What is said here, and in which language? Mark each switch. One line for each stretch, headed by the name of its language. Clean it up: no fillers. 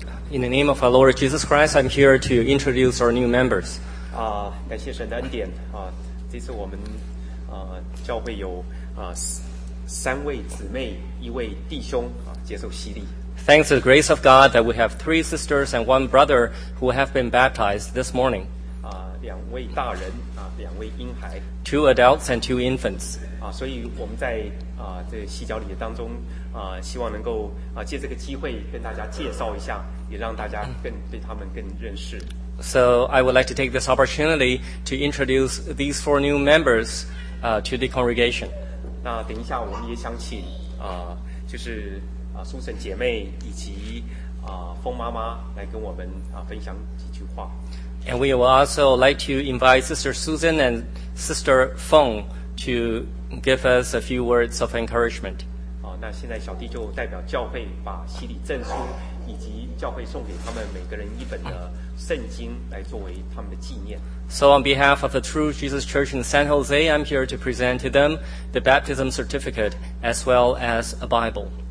English: In the name of our Lord Jesus Christ, I'm here to introduce our new members.
Chinese: 感谢神的恩典。这次我们教会有三位姊妹，一位弟兄接受洗礼。
English: Thanks to the grace of God that we have three sisters and one brother who have been baptized this morning.
Chinese: 两位大人两位婴孩。
English: Two adults and two infants.
Chinese: 所以我们在这洗脚礼当中希望能够借这个机会跟大家介绍一下。也让大家更对他们更认识。
English: So I would like to take this opportunity to introduce these four new members to the congregation.
Chinese: 那等一下我们也想请就是苏神姐妹以及风妈妈来跟我们分享几句话。
English: And we would also like to invite Sister Susan and Sister Feng to give us a few words of encouragement.
Chinese: 那现在小弟就代表教会把洗礼证书以及教会送给他们每个人一本的圣经来作为他们的纪念。
English: So on behalf of the True Jesus Church in San Jose, I'm here to present to them the baptism certificate as well as a Bible.